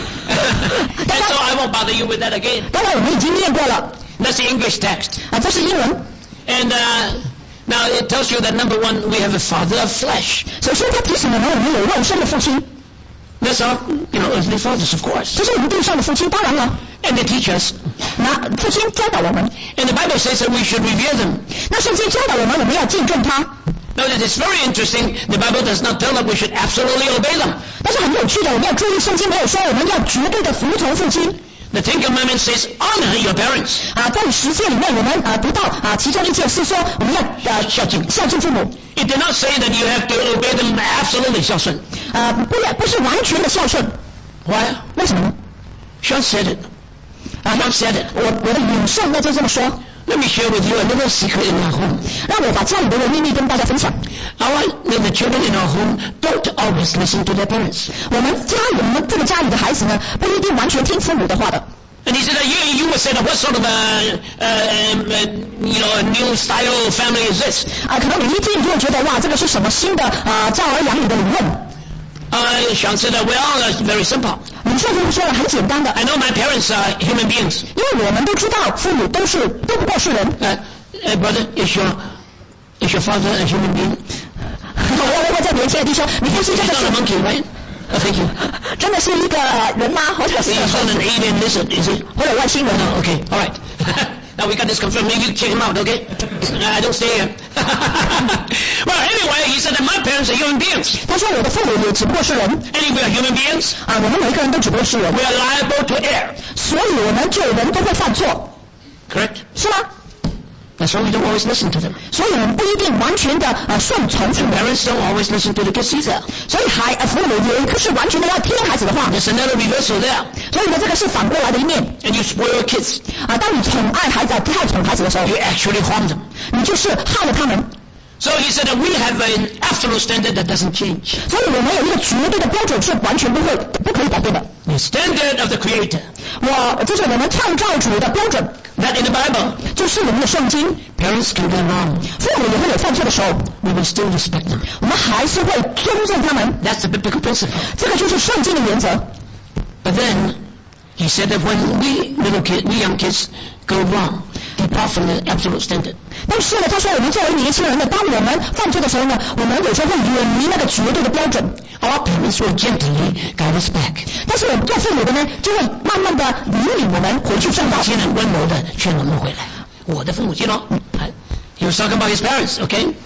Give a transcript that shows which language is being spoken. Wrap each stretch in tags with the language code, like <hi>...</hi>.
<en>And so I won't bother you with that again.</en> <zh>刚才我们已经念过了。</zh> <en>That's the English text.</en> <zh>这是英文。</zh> <en>And now it tells you that number one, we have a father of flesh.</en> <zh>首先他提醒了我们有肉身的父亲。</zh> <en>That's our, you know, earthly fathers, of course.</en> <zh>这是我们地上的父亲，当然了。</zh> <en>And they teach us.</en> <zh>那父亲教导我们。</zh> <en>And the Bible says that we should revere them.</en> <zh>那圣经教导我们，我们要敬重他。</zh> <en>Now that is very interesting. The Bible does not tell that we should absolutely obey them.</en> <zh>但是很有趣的，我们要注意，圣经没有说我们要绝对的服从父亲。</zh> <en>The Ten Commandments says honor your parents.</en> <zh>在十诫里面，我们读到其中一节是说我们要孝敬父母。</zh> <en>It did not say that you have to obey them absolutely</en> <zh>孝顺。不是完全的孝顺。</zh> <en>Why?</en> <zh>为什么</zh> <en>？Sean said it. Sean said it.</en> <zh>我的领袖那就这么说。</zh> <en>Let me share with you a little secret in our home.</en> <zh>让我把家里的秘密跟大家分享。</zh> <en>Our little children in our home don't always listen to their parents.</en> <zh>我们这个家里的孩子呢，不一定完全听父母的话的。</zh> <en>And he said that you would say that what sort of a new style family is this?</en> <zh>可能你一听你就觉得哇，这个是什么新的教儿养女的理论。</zh> <en>I should say that we all are very simple.</en> <zh>你确实说的很简单的。</zh> <en>I know my parents are human beings.</en> <zh>因为我们都知道父母都不过是人。</zh> <en>Brother, is your father a human being?</en> <zh>我再连接一下，你父亲就是。</zh> <en>He's not a monkey, right? Thank you.</en> <zh>真的是一个人吗？或者是？</zh> <en>He's not an alien lizard, is he?</en> <zh>或者外星人？</zh> <en>No, okay, all right. Now we got this confirmed. Maybe you check him out, okay? I don't stay here. Well, anyway, he said that my parents are human beings.</en> <zh>他说我的父母也只不过是人。</zh> <en>Anyway, we are human beings.</en> <zh>啊，我们每个人都只不过是人。</zh> <en>We are liable to err.</en> <zh>所以我们就人都会犯错。</zh> <en>Correct.</en> <zh>是吗？</zh> <en>That's why we don't always listen to them.</en> <zh>所以我们不一定完全的顺从。</zh> <en>And parents don't always listen to the kids either.</en> <zh>所以孩父母也不是完全的要听孩子的话。</zh> <en>There's another reversal there.</en> <zh>所以呢，这个是反过来的一面。</zh> <en>And you spoil your kids.</en> <zh>啊，当你宠爱孩子，太宠孩子的时候。</zh> <en>You actually harm them.</en> <zh>你就是害了他们。</zh> <en>So he said that we have an absolute standard that doesn't change.</en> <zh>所以我们有一个绝对的标准是完全不会不可以改变的。</zh> <en>The standard of the Creator.</en> <zh>我就是我们创造主的标准。</zh> <en>That in the Bible.</en> <zh>就是我们的圣经。</zh> <en>Parents can be wrong.</en> <zh>父母也会有犯错的时候。</zh> <en>We will still respect them.</en> <zh>我们还是会尊重他们。</zh> <en>That's the biblical principle.</en> <zh>这个就是圣经的原则。</zh> <en>But then he said that when we little kids, we young kids go wrong. Depart from the absolute standard.</en> <zh>但是呢，他说我们作为年轻人呢，当我们犯错的时候呢，我们有时候会远离那个绝对的标准。</zh> <en>Our parents will gently guide us back.</en> <zh>但是我们做父母的呢，就会慢慢的引领我们回去正道。竟然温柔的劝我们回来。我的父母亲呢？</zh> <en>He was talking about his parents, okay?</en>